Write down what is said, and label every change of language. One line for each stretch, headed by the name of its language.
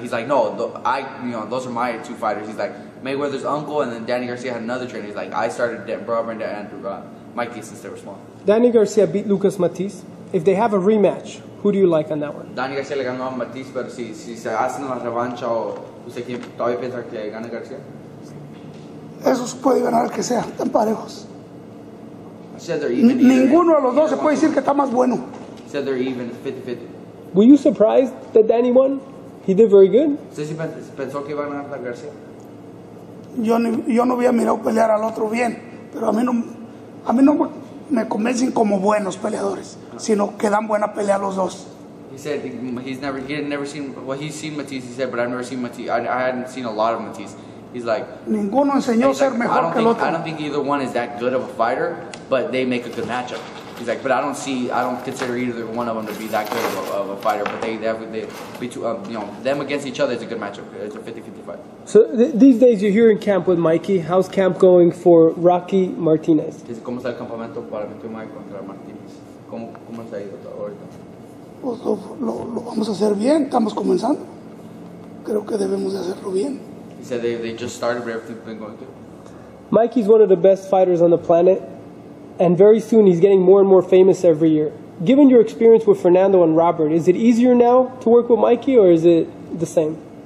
English: He's like, no, those are my two fighters. He's like, Mayweather's uncle, and then Danny Garcia had another trainer. He's like, I started Robert and Andrew, Mikey since they were small. Danny Garcia beat Lucas Matisse. If they have a rematch, who do you like on that one?
Spanish: Danny Garcia le ganó a Matisse, pero si se hacen la revancha o usted quién todavía piensa que gana Garcia. Esos puede ganar que sea, están parejos. Ninguno de los dos se puede decir que está más bueno.
English: Said they're even, 50-50. Were you surprised that Danny won? He did very good.
Spanish: ¿Pensó que iba a ganar a García? Yo no había mirado pelear al otro bien, pero a mí no me convencen como buenos peleadores, sino que dan buena pelea los dos.
English: He said he's seen Matisse, he said, but I've never seen Matisse. I hadn't seen a lot of Matisse. He's like,
Spanish: ninguno enseñó ser like, mejor que el otro.
English: I don't think either one is that good of a fighter, but they make a good matchup. He's like, but I don't consider either one of them to be that good of a fighter, but them against each other is a good matchup. It's a 50-50 fight. So these days you're here in camp with Mikey. How's camp going for Rocky Martinez?
Spanish: ¿Cómo está el campamento para mi tío Mike contra Martinez? ¿Cómo se ha ido ahorita? Pues lo vamos a hacer bien, estamos comenzando. Creo que debemos de hacerlo bien.
English: He said they just started, but everything's been going good. Mikey's one of the best fighters on the planet, and very soon he's getting more and more famous every year. Given your experience with Fernando and Robert, is it easier now to work with Mikey, or is it the same?